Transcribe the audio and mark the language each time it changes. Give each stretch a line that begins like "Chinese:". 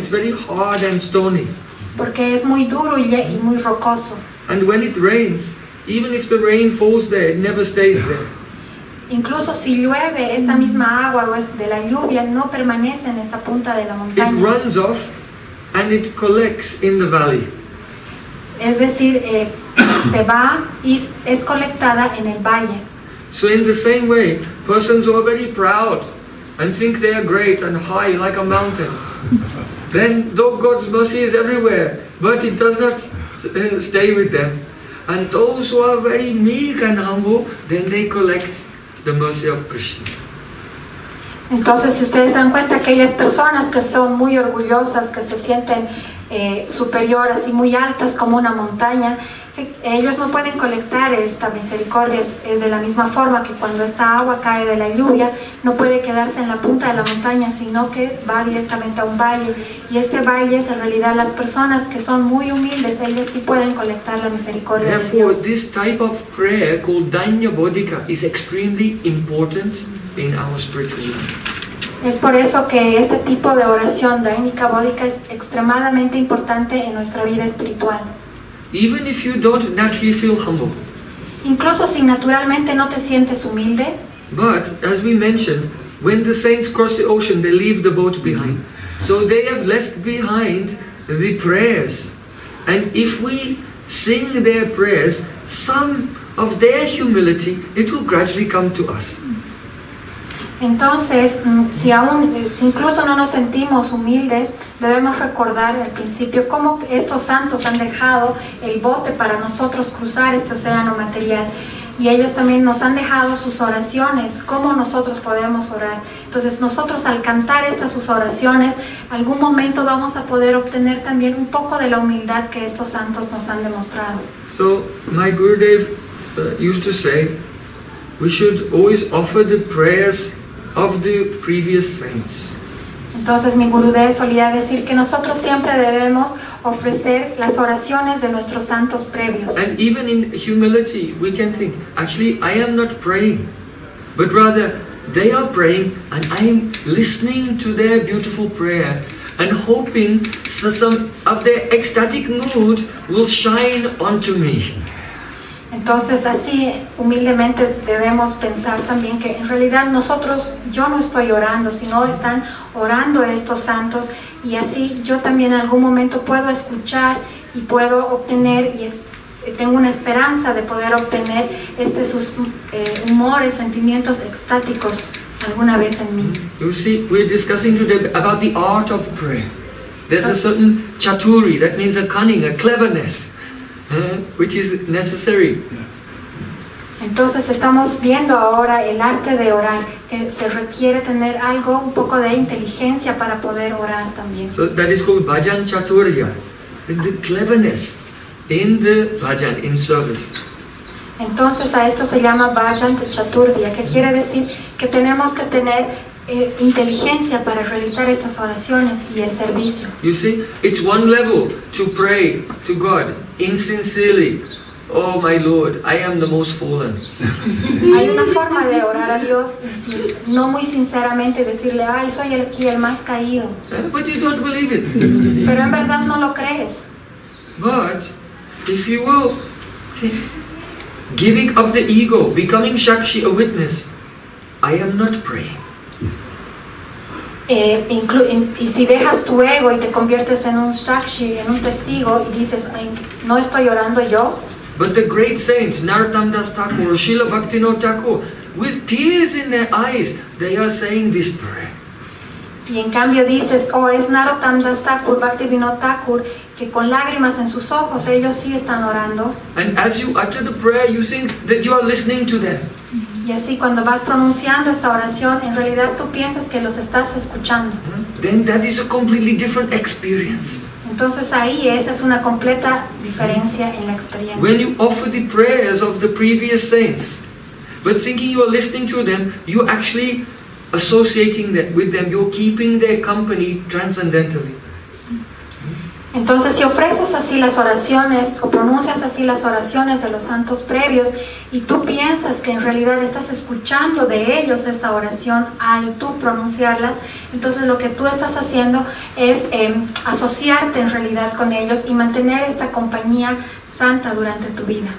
English: It's very hard and stony.
Spanish: Porque es muy duro y muy rocoso.
English: And when it rains, even if the rain falls there, it never stays there.
Spanish: Incluso si llueve, esta misma agua de la lluvia no permanece en esta punta de la montaña.
English: It runs off and it collects in the valley.
Spanish: Es decir, se va y es colectada en el valle.
English: So in the same way, persons who are very proud and think they are great and high like a mountain. Then, though God's mercy is everywhere, but it does not stay with them. And those who are very meek and humble, then they collect the mercy of Krishna.
Spanish: Entonces, si ustedes dan cuenta, aquellas personas que son muy orgullosas, que se sienten superiores y muy altas como una montaña, ellos no pueden colectar esta misericordia. Es de la misma forma que cuando esta agua cae de la lluvia, no puede quedarse en la punta de la montaña, sino que va directamente a un valle. Y este valle es en realidad las personas que son muy humildes, ellos sí pueden colectar la misericordia.
English: Therefore,
Spanish: de Dios.
English: This type of prayer called Dainyabodhika is extremely important in our spiritual life.
Spanish: Es por eso que este tipo de oración, Dainyabodhika, es extremadamente importante en nuestra vida espiritual.
English: Even if you don't naturally feel humble.
Spanish: Incluso si naturalmente no te sientes humilde.
English: But as we mentioned, when the saints cross the ocean, they leave the boat behind. So they have left behind the prayers. And if we sing their prayers, some of their humility, it will gradually come to us.
Spanish: Entonces, si incluso no nos sentimos humildes, debemos recordar al principio cómo estos santos han dejado el bote para nosotros cruzar este océano material. Y ellos también nos han dejado sus oraciones, cómo nosotros podemos orar. Entonces, nosotros al cantar estas sus oraciones, algún momento vamos a poder obtener también un poco de la humildad que estos santos nos han demostrado.
English: So, my Gurudev used to say, we should always offer the prayers of the previous saints.
Spanish: Entonces mi Gurudev solía decir que nosotros siempre debemos ofrecer las oraciones de nuestros santos previos.
English: And even in humility we can think, actually I am not praying, but rather they are praying and I am listening to their beautiful prayer and hoping some of their ecstatic mood will shine onto me.
Spanish: Entonces así humildemente debemos pensar también que en realidad nosotros, yo no estoy orando, sino están orando estos santos, y así yo también en algún momento puedo escuchar y puedo obtener, y tengo una esperanza de poder obtener este sus humores, sentimientos extáticos alguna vez en mí.
English: You see, we're discussing today about the art of prayer. There's a certain chaturi, that means a cunning, a cleverness. Which is necessary.
Spanish: Entonces estamos viendo ahora el arte de orar, que se requiere tener algo, un poco de inteligencia para poder orar también.
English: So that is called bhajan chaturya, the cleverness in the bhajan, in service.
Spanish: Entonces a esto se llama bhajan chaturya, que quiere decir que tenemos que tener inteligencia para realizar estas oraciones y el servicio.
English: You see, it's one level to pray to God insincerely. Oh my Lord, I am the most fallen.
Spanish: Hay una forma de orar a Dios no muy sinceramente, decirle, ay, soy aquí el más caído.
English: But you don't believe it.
Spanish: Pero en verdad no lo crees.
English: But if you will, giving up the ego, becoming Shakshi, a witness, I am not praying.
Spanish: Y si dejas tu ego y te conviertes en un sakshi, en un testigo, y dices, no estoy orando yo.
English: But the great saints, Narottam Das Thakur, Srila Bhaktivinoda Thakur, with tears in their eyes, they are saying this prayer.
Spanish: Y en cambio dices, oh, es Narottam Das Thakur, Bhaktivinoda Thakur, que con lágrimas en sus ojos, ellos sí están orando.
English: And as you utter the prayer, you think that you are listening to them.
Spanish: Y así cuando vas pronunciando esta oración, en realidad tú piensas que los estás escuchando.
English: Then that is a completely different experience.
Spanish: Entonces ahí esa es una completa diferencia en la experiencia.
English: When you offer the prayers of the previous saints, but thinking you are listening to them, you actually associating that with them, you're keeping their company transcendentally.
Spanish: Entonces, si ofreces así las oraciones o pronuncias así las oraciones de los santos previos y tú piensas que en realidad estás escuchando de ellos esta oración al tú pronunciarlas, entonces lo que tú estás haciendo es asociarte en realidad con ellos y mantener esta compañía santa durante tu vida.